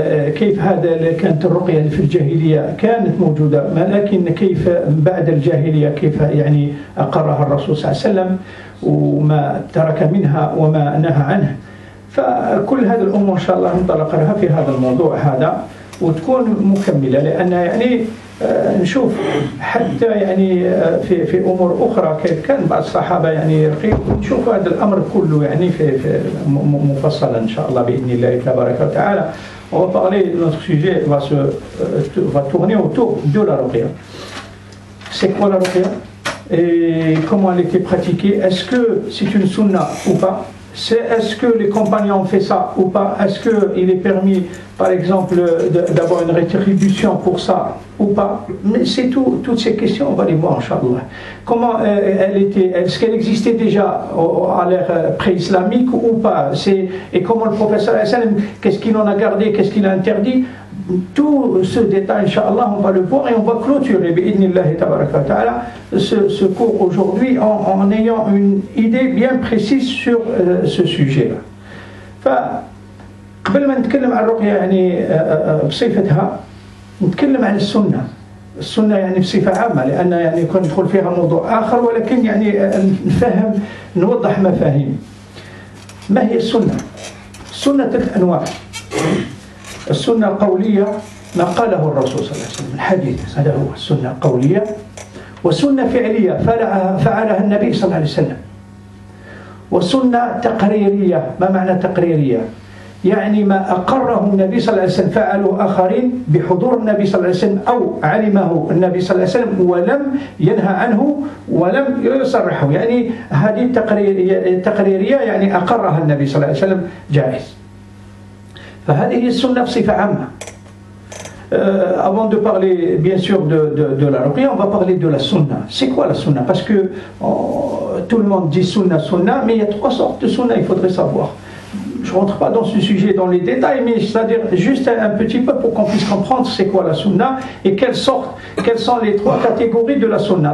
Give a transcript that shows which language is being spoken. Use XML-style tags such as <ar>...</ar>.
<ar>كيف هذا كانت الرقية في الجاهلية كانت موجودة، لكن كيف بعد الجاهلية كيف يعني أقرها الرسول صلى الله عليه وسلم وما ترك منها وما نهى عنه؟ فكل هذه الأمور إن شاء الله انطلق لها في هذا الموضوع هذا، وتكون مكملة، لأن يعني نشوف حتى يعني في أمور أخرى كيف كان بعض الصحابة يعني رقيق، نشوف هذا الأمر كله يعني في مفصلا إن شاء الله بإذن الله تبارك وتعالى.</ar> <fr>On va parler de notre sujet, va tourner autour de la ruqya. C'est quoi la ruqya? Et comment elle était pratiquée? Est-ce que c'est une sunna ou pas? Est-ce que les compagnons ont fait ça ou pas? Est-ce qu'il est permis, par exemple, d'avoir une rétribution pour ça ou pas? Mais c'est tout, toutes ces questions, on va les voir, inchallah. Comment elle était? Est-ce qu'elle existait déjà à l'ère pré-islamique ou pas? Et comment le professeur Hassan, qu'est-ce qu'il en a gardé, qu'est-ce qu'il a interdit? Tout ce détail, inchallah, on va le voir et on va clôturer,</fr> <ar>bi'idnillahi tabaraka wa ta'ala,</ar> <fr>ce cours aujourd'hui en ayant une idée bien précise sur ce sujet-là.</fr> <ar>قبل ما نتكلم عن الرقية يعني بصفتها، نتكلم عن السنة. السنة يعني بصفة عامة، لأن يعني كنا ندخل فيها موضوع آخر، ولكن يعني نفهم نوضح مفاهيم. ما هي السنة؟ السنة ثلاث أنواع. السنة القولية، ما قاله الرسول صلى الله عليه وسلم، الحديث، هذا هو السنة القولية. وسنة فعلية، فعلها النبي صلى الله عليه وسلم. وسنة تقريرية، ما معنى تقريرية؟ يعني ما أقره النبي صلى الله عليه وسلم فعله آخرين بحضور النبي صلى الله عليه وسلم، أو علمه النبي صلى الله عليه وسلم ولم ينهى عنه ولم يصرحه، يعني هذه التقريرية يعني أقرها النبي صلى الله عليه وسلم جائز. فهذه السنة بصفة عامة.</ar> <fr>Avant de parler bien sûr de la ruqya, on va parler de la sunna. C'est quoi la sunna? Parce que tout le monde dit sunna, mais il y a trois sortes de sunna, il faudrait savoir. Je ne rentre pas dans ce sujet, dans les détails, mais c'est-à-dire juste un petit peu pour qu'on puisse comprendre c'est quoi la sunna et quelles sont les trois catégories de la sunna.</fr>